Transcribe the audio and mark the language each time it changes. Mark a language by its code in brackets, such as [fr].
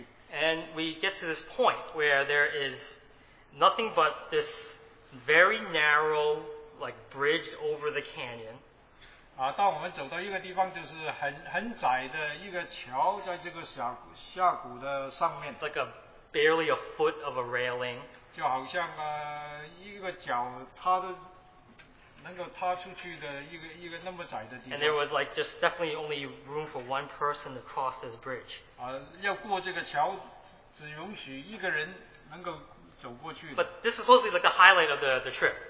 [en] And we get to this point where there is nothing but this very narrow like bridge over the canyon. [zh] 当我们走到一个地方，就是很窄的一个桥，在这个峡谷的上面。 [en] It's like a barely a foot of a railing. [zh] 就好像一个脚，它的能够踏出去的一个那么窄的地方。 [en] And there was like just definitely only room for one person to cross this bridge. [zh] 要过这个桥，只允许一个人能够走过去。 [en] But this is supposedly like the highlight of the trip.